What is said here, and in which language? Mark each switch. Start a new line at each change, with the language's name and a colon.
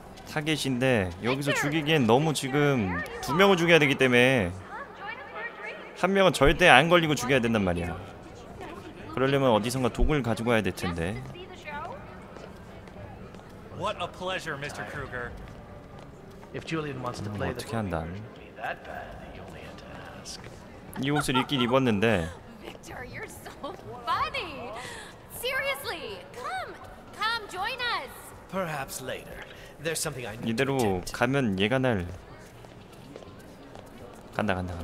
Korean: 타겟인데 여기서 죽이기엔 너무 지금 두 명을 죽여야 되기 때문에 한 명은 절대 안 걸리고 죽여야 된단 말이야. 그러려면 어디선가 독을 가지고 와야 될 텐데.
English: What a pleasure, Mr. Kruger. If Julian wants to play the game, you only have to ask.
Korean: 이 옷을 입긴 입었는데.
English: Victor, you're so funny. Seriously, come join us. Perhaps later. There's something I need.
Korean: 이대로 가면 얘가 날 간다.